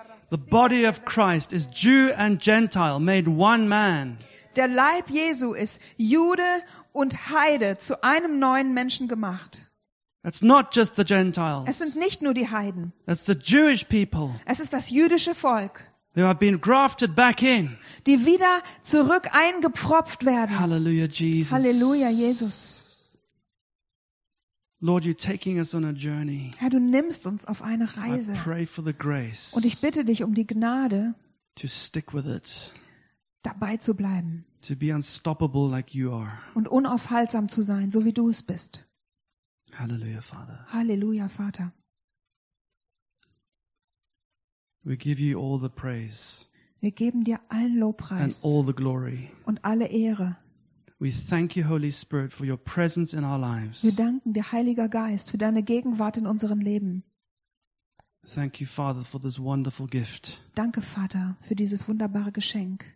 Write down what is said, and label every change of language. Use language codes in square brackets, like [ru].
[en] The body of Christ is Jew and Gentile made one man. [de] Der Leib Jesu ist Jude und Heide zu einem neuen Menschen gemacht. [en] It's not just the Gentiles. [de] Es sind nicht nur die Heiden. [en] It's the Jewish people. [de] Es ist das jüdische Volk. [en] They have been grafted back in. [de] Die wieder zurück eingepfropft werden. [en] Hallelujah, Jesus. [de] Hallelujah, Jesus. [en] Lord, you're taking us on a journey. [de] Herr, du nimmst uns auf eine Reise. [en] I pray for the grace. [de] Und ich bitte dich um die Gnade. [en] To stick with it. [de] Dabei zu bleiben. [en] To be unstoppable like you are. [de] Und unaufhaltsam zu sein, so wie du es bist. [en] Hallelujah, Father. [de] Halleluja, Vater. [en] We give you all the praise. [de] Wir geben dir allen Lobpreis. [en] And all the glory. [de] Und alle Ehre. [en] We thank you, Holy Spirit, for your presence in our lives. [de] Wir danken dir, Heiliger Geist, für deine Gegenwart in unseren Leben. [en] Thank you, Father, for this wonderful gift. [de] Danke, Vater, für dieses wunderbare Geschenk.